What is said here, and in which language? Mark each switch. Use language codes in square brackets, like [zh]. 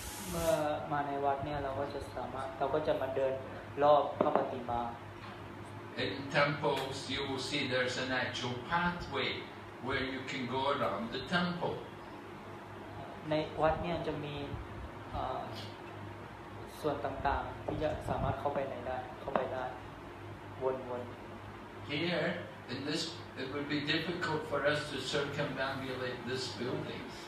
[th] เมื่อมาในวัดเนี่ยเราก็จะสามารถเราก็จะมาเดินรอบพระปฏิมา [en] In temples you will see there's an actual pathway where you can go around the temple [th] ในวัดเนี่ยจะมีส่วนต่างๆที่จะสามารถเข้าไปได้วน [en] Here in this it would be difficult for us to circumambulate this building